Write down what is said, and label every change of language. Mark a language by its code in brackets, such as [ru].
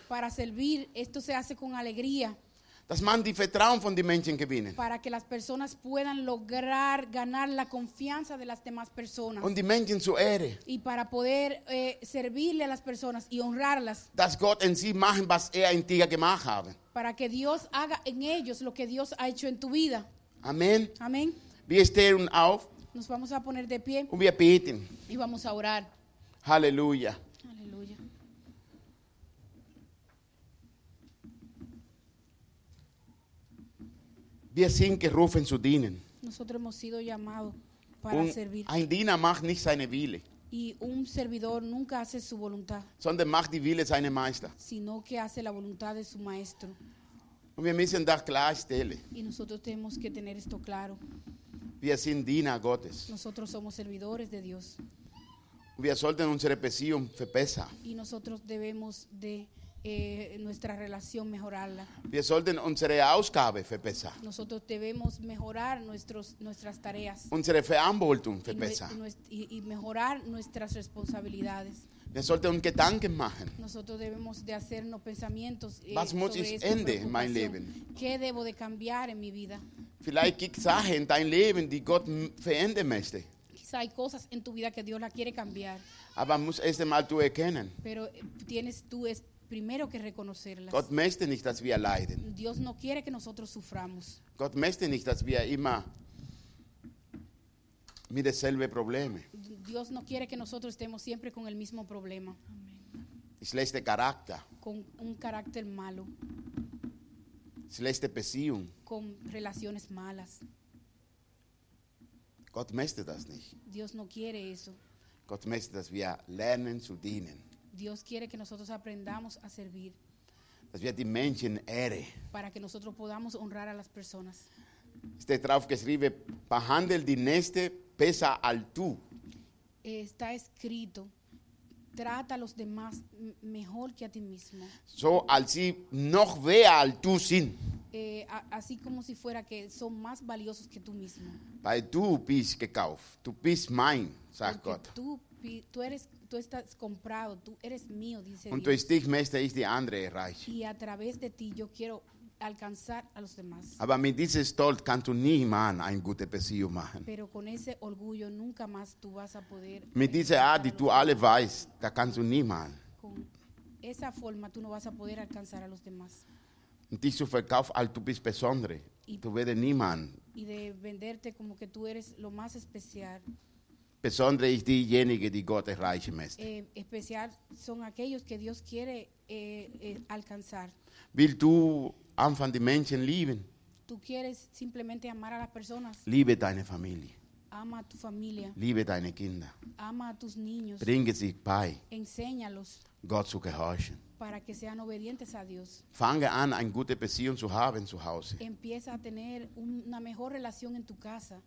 [es] Para servir, esto se hace con alegría. [de] Dass man die Vertrauen von den Menschen gewinnen. [es] Para que las personas puedan lograr ganar la confianza de las demás personas. [de] Und die Menschen zu Ehre. [es] Y para poder servirle a las personas y honrarlas. [de] Dass Gott in sie machen, was in dir gemacht habe. [es] Para que Dios haga en ellos lo que Dios ha hecho en tu vida. Amen. Amen. [de] Wir stehen auf. [es] Nos vamos a poner de pie. [de] Und wir beten. [es] Y vamos a orar. [de] Halleluja. Wir sind gerufen zu dienen. [es] Nosotros hemos sido llamados para servir. [de] Ein Diener macht nicht seine Wille. [es] Y un servidor nunca hace su voluntad. [de] Sondern macht die Wille seines Meisters. [es] Sino que hace la voluntad de su maestro. [de] Und wir müssen das klarstellen. [es] Y nosotros tenemos que tener esto claro. [de] Wir sind Diener Gottes. [es] Nosotros somos servidores de Dios. [de] Und wir sollten unsere Beziehung verbessern. [es] Y nosotros debemos de nuestra relación mejorarla. [de] Wir sollten unsere Ausgabe verbessern. [es] Nosotros debemos mejorar nuestras tareas. [de] Unsere Verantwortung verbessern. [es] Y mejorar nuestras responsabilidades. [de] Wir sollten uns Gedanken machen. [es] Nosotros debemos de hacernos pensamientos, [de] was muss ich ändern in meinem Leben? [es] ¿Qué debo de cambiar en mi vida? [de] Vielleicht gibt es Sachen in deinem Leben, die Gott verändern möchte. [es] Quizá hay cosas en tu vida que Dios la quiere cambiar. [de] Aber muss erst einmal du erkennen. [es] Pero tienes tú es primero que reconocerlas. [de] Gott möchte nicht, dass wir leiden. [es] Dios no quiere que nosotros suframos. [de] Gott möchte nicht, dass wir immer mit demselben Problem. [es] Dios no quiere que nosotros estemos siempre con el mismo problema. [de] Schlechter Charakter. [es] Con un carácter malo. [de] Schlechte Beziehung. [es] Con relaciones malas. [de] Gott möchte das nicht. [es] Dios no quiere eso. [de] Gott möchte, dass wir lernen zu dienen. [es] Dios quiere que nosotros aprendamos a servir. [de] Dass wir die Menschen ehren. [es] Para que nosotros podamos honrar a las personas. Está [de] drauf geschrieben, behandle die Nächste besser als du. [es] Está escrito, trata a los demás mejor que a ti mismo. [de] So, als sie noch mehr als du sind. [es] Así como si fuera que son más valiosos que tú mismo. [de] Weil du bist gekauft, du bist mein, sagt Gott. [es] Tú estás comprado, tú eres mío, dice [de] Und Dios. Und durch dich möchte ich die andere erreichen. [es] Y a través de ti yo quiero alcanzar a los demás. [de] Aber mit diesem Stolz kannst du niemand eine gute Beziehung machen. [es] Pero con ese orgullo nunca más tú vas a poder. [de] Mit dieser Art, die du alle weißt, da kannst du niemand. [es] Con esa forma tú no vas a poder alcanzar a los demás. [de] Dich zu verkaufen, als du bist besondere. Du wirst niemand. [es] Y de venderte como que tú eres lo más especial. [de] Besondere ist diejenige, die Gott erreichen möchte. [es] Especial son aquellos que Dios quiere alcanzar. [de] Will du anfangen, die Menschen lieben? [es] Tú quieres simplemente amar a las personas. [de] Liebe deine Familie. [es] Ama a tu familia. [de] Liebe deine Kinder. [es] Ama a tus niños. [de] Bringe sie bei. [es] Enséñalos. [de] Gott zu gehorchen. [es] Para que sean obedientes a Dios. [de] Fange an, eine gute Beziehung zu haben zu Hause. [es] Empieza a tener una mejor relación en tu casa.